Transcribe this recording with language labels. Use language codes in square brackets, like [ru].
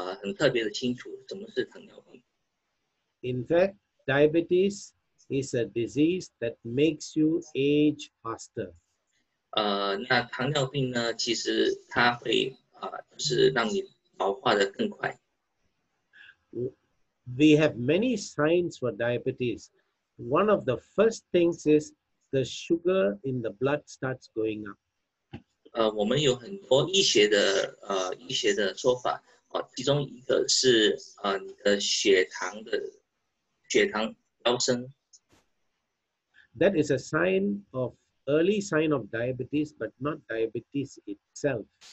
[zh] 我要在这边跟你们说，其实我们不是很特别的清楚什么是糖尿病。 [en] In fact, diabetes is a disease that makes you age faster. [zh] 那糖尿病呢，其实它会让你老化的更快。 [en] We have many signs for diabetes. One of the first things is the sugar in the blood starts going up. [zh] 我们有很多医学的说法，其中一个是你的血糖飙升。 [en] That is a sign of early sign of diabetes, but not diabetes itself.